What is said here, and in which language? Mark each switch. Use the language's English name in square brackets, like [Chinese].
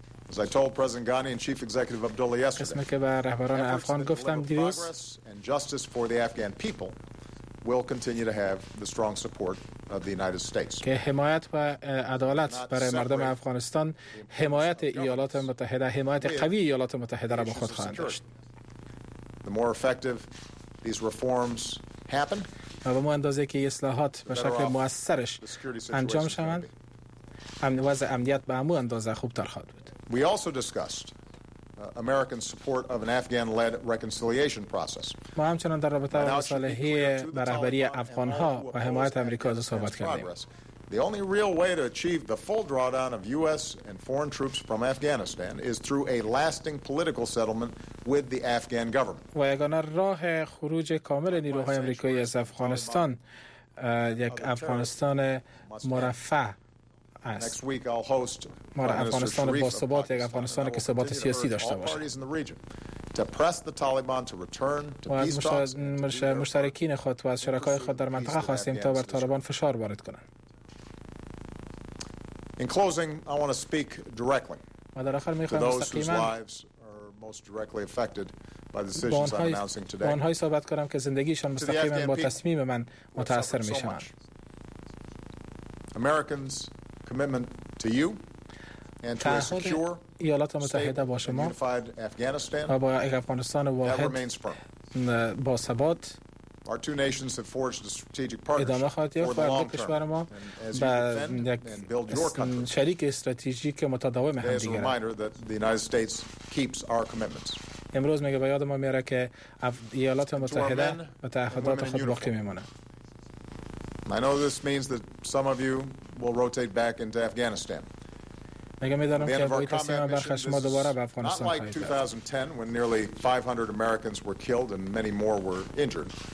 [English] As I told President Ghani and Chief Executive Abdullah yesterday, and justice for the Afghan people will continue to have the strong support of the United States. [Persian] که حمایت و عدالت برای مردم افغانستان، حمایت ایالات متحده، حمایت قوی ایالات متحده را با خود خواهند داشت. [English] The more effective these reforms happen, [Persian] به ما اندازه که اصلاحات به شکل مؤثرش انجام شوند، وضع امنیت به همون اندازه خوبتر خواهد بود. [English] We also discussed American support of an Afghan-led reconciliation process. [Persian] ما همچنان در رابطه با مصالحه به رهبری افغان‌ها و حمایت آمریکا از صحبت کردیم. [English] The only real way to achieve the full drawdown of U.S. and foreign troops from Afghanistan is through a lasting political settlement with the Afghan government. [Persian] و یگانه راه خروج کامل نیروهای آمریکایی از افغانستان یک افغانستان مرفه [English] Next week I'll host Afghanistan [Persian] با ثبات یک افغانستان که ثبات سیاسی داشته باشه. [English] To press the Taliban to return to peace talks. [Persian] مشترکین خود و از شرکای خود در منطقه خواستیم تا بر طالبان فشار وارد کنند. [English] In closing, I want to speak directly. [Persian] ما در آخر می خواهیم مستقیما [English] most directly affected by the decisions I'm announcing today. [Persian] با آنهایی صحبت کنم که زندگیشان مستقیما با تصمیم من متاثر می شوند. [English] Americans commitment to you and to a secure [Persian] ایالات متحده با شما و با افغانستان واحد با ثبات [English] our two nations have forged a strategic partnership for the long term and build your country [Persian] شریک استراتژیک متداوم همدیگر [English] reminder that the United States keeps our commitments [Persian] امروز میگه به یاد ما میاره که ایالات متحده به تعهدات خود باقی میمونه [English] I know this means that some of you will rotate back into Afghanistan. The end of our combat mission, not like 2010, when nearly 500 Americans were killed and many more were injured.